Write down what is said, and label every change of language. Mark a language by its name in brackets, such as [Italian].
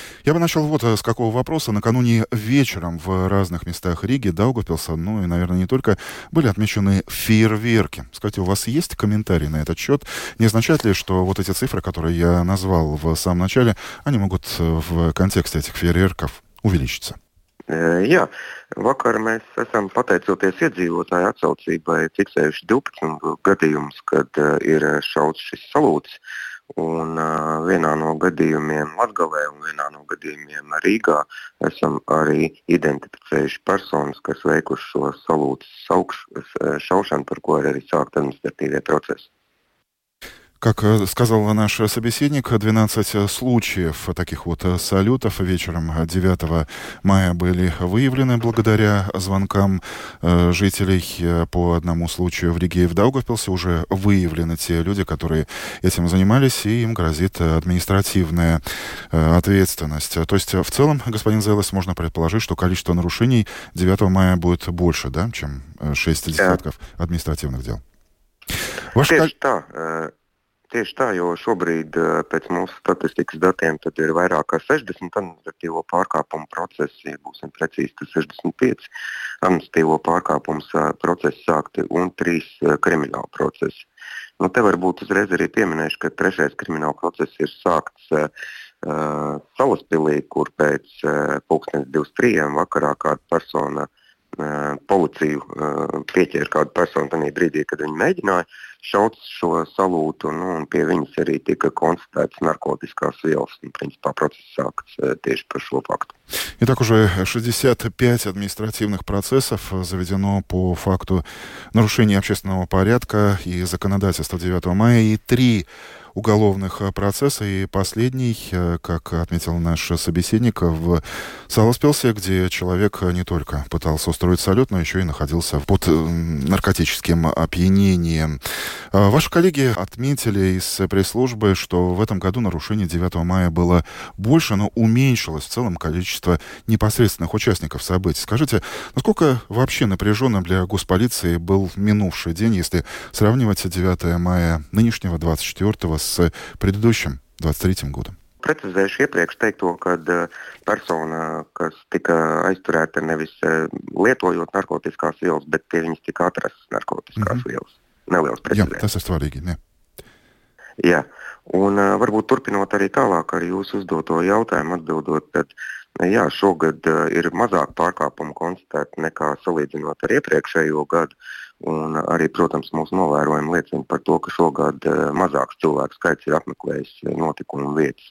[Russian] Я бы начал вот с какого вопроса. Накануне вечером в разных местах Риги, Даугавпилса, ну и, наверное, не только, были отмечены фейерверки. Скажите, у вас есть комментарии на этот счет? Не означает ли, что вот эти цифры, которые я назвал в самом начале, они могут в контексте этих фейерверков увеличиться? [Latvian] Jā, vakar mēs esam pateicoties iedzīvotāju atsaucībai fiksējuši 12 gadījumus, kad ir šauts šis salūts. Un vienā no gadījumiem Latgalē un vienā no gadījumiem Rīgā esam arī identificējuši personas, kas veikuši šo salūts šaušanu, par ko ir arī sākt administratīvie procesi. [Russian] Как сказал наш собеседник, 12 случаев таких вот салютов вечером 9 мая были выявлены благодаря звонкам жителей. По одному случаю в Риге и в Даугавпилсе уже выявлены те люди, которые этим занимались, и им грозит административная ответственность. То есть в целом, господин Зелес, можно предположить, что количество нарушений 9 мая будет больше, да, чем 6 десятков административных дел. Ваш коллега... [Latvian] Tieši tā, jo šobrīd pēc mūsu statistikas datiem tad ir vairāk kā 60 administratīvo pārkāpumu procesi, ja būsim precīzi, tad 65 administratīvo pārkāpumu procesi sākti un 3 kriminālu procesi. Nu, te varbūt uzreiz arī pieminēšu, ka trešais kriminālu process ir sākts Salaspilī, kur pēc pulkstens 23 vakarā kāda persona policiju pieķēra kādu personu tajā brīdī, kad viņi mēģināja šaut šo salūtu, nu, un pie viņas arī tika konstatēts narkotiskās vielas, un principā process sākts tieši par šo faktu. [Russian] Итак, уже 65 административных процессов заведено по факту нарушения общественного порядка и законодательства 9 мая, и 3 уголовных процесса, и последний, как отметил наш собеседник, в Саласпилсе, где человек не только пытался устроить салют, но еще и находился под наркотическим опьянением. Ваши коллеги отметили из пресс-службы, что в этом году нарушений 9 мая было больше, но уменьшилось в целом количество непосредственных участников событий. Скажите, насколько вообще напряженным для госполиции был минувший день, если сравнивать 9 мая нынешнего 24-го с предыдущим 23-м годом? [Latvian] Precizējuši iepriekš teikt to, ka persona, kas tika aizturēta nevis lietojot narkotiskās vielas, bet pie viņas tika atrastas narkotiskās vielas. Neliels precizējums. Jā, tas ir svarīgi, jā. Jā, un varbūt turpinot arī tālāk ar jūsu uzdoto jautājumu atbildot, tad jā, šogad ir mazāk pārkāpumu konstatēt nekā salīdzinot ar iepriekšējo gadu, un arī, protams, mūsu novērojumi liecina par to, ka šogad mazāks cilvēku skaits ir apmeklējis notikumu vietas.